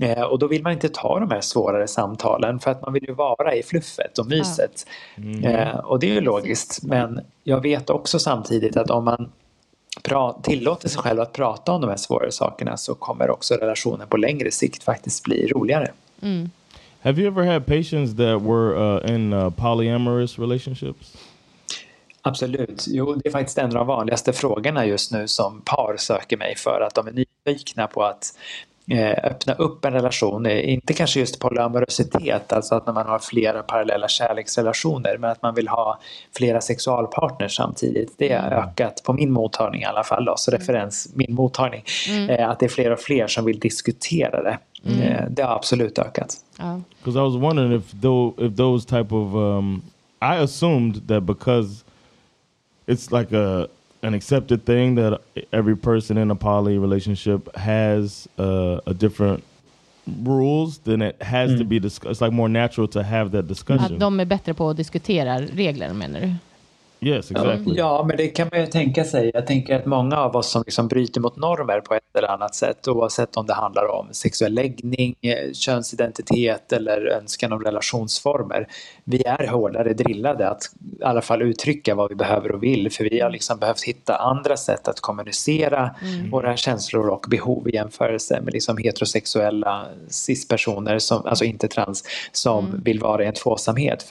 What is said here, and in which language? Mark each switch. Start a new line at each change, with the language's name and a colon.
Swedish: Och då vill man inte ta de här svårare samtalen, för att man vill ju vara i fluffet och myset. Och det är ju logiskt, men jag vet också samtidigt att om man tillåter sig själv att prata om de här svårare sakerna, så kommer också relationen på längre sikt faktiskt bli roligare.
English: Have you ever had patients that were in polyamorous relationships?
Swedish: Absolut. Jo, det är faktiskt en av de vanligaste frågorna just nu som par söker mig för, att de är nyfikna på att öppna upp en relation, inte kanske just polyamorositet, alltså att när man har flera parallella kärleksrelationer, men att man vill ha flera sexualpartners samtidigt. Det har ökat på min mottagning i alla fall, då, så referens min mottagning, att det är fler och fler som vill diskutera det. Det har absolut ökat.
English: Because I was wondering if those type of I assumed that because it's like an accepted thing that every person in a poly relationship has a different rules, then it has to be discussed. It's like more natural to have that discussion.
Swedish: Att de är bättre på att diskutera regler, menar du?
English: Yes, exactly.
Swedish: Ja, men det kan man ju tänka sig. Jag tänker att många av oss som liksom bryter mot normer på ett eller annat sätt, oavsett om det handlar om sexuell läggning, könsidentitet eller önskan om relationsformer, vi är hårdare drillade att i alla fall uttrycka vad vi behöver och vill, för vi har liksom behövt hitta andra sätt att kommunicera våra känslor och behov i jämförelse med liksom heterosexuella cis-personer, som, alltså inte trans, som vill vara i en tvåsamhet.